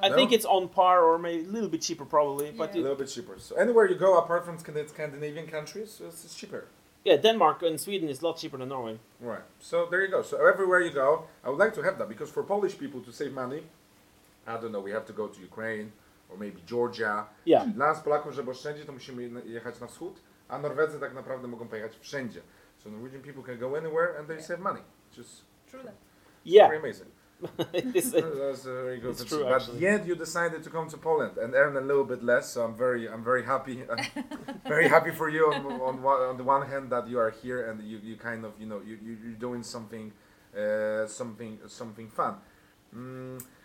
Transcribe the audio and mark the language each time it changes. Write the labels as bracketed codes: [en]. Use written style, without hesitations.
[en] I think it's on par or maybe a little bit cheaper probably. Yeah. But a little bit cheaper. So anywhere you go apart from Scandinavian countries, it's cheaper. Yeah, Denmark and Sweden is a lot cheaper than Norway. Right. So there you go. So everywhere you go, I would like to have that, because for Polish people to save money, I don't know, we have to go to Ukraine. Or maybe Georgia. Yeah. [pl] Dla nas Polaków, żeby oszczędzić, to musimy jechać na wschód, a Norwegowie tak naprawdę mogą pojechać wszędzie. [en] So Norwegian people can go anywhere and they save money. Just true that. Yeah. Pretty amazing. That's a very good. It's true, but actually. Yet you decided to come to Poland and earn a little bit less. So I'm very happy. I'm very happy for you on the one hand that you are here and you kind of, you know, you're doing something fun.